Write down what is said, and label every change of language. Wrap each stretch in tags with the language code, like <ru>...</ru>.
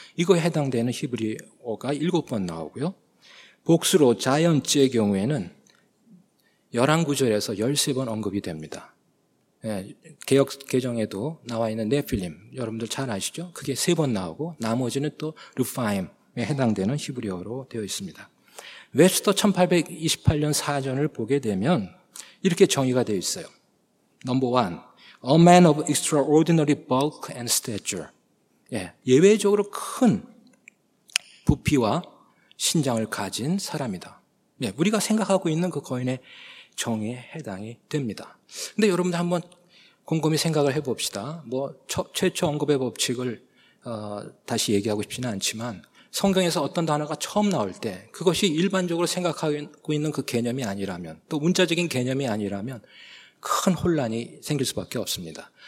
<ko>이거에 해당되는 히브리어가 7번 나오고요. 복수로 자이언트의 경우에는 11구절에서 13번 언급이 됩니다. 예, 개역 개정에도 나와 있는 네필림 여러분들 잘 아시죠? 그게 3번 나오고 나머지는 또 르파임에 해당되는 히브리어로 되어 있습니다. 웹스터 1828년 사전을 보게 되면 이렇게 정의가 되어 있어요.</ko> <en>Number one, a man of extraordinary bulk and stature.</en> <ko>예, 예외적으로 큰 부피와 신장을 가진 사람이다. 예, 우리가 생각하고 있는 그 거인의 정의에 해당이 됩니다. 근데 여러분들 한번 곰곰이 생각을 해봅시다. 뭐 최초 언급의 법칙을 다시 얘기하고 싶지는 않지만 성경에서 어떤 단어가 처음 나올 때 그것이 일반적으로 생각하고 있는 그 개념이 아니라면 또 문자적인 개념이 아니라면 큰 혼란이 생길 수밖에 없습니다.</ko>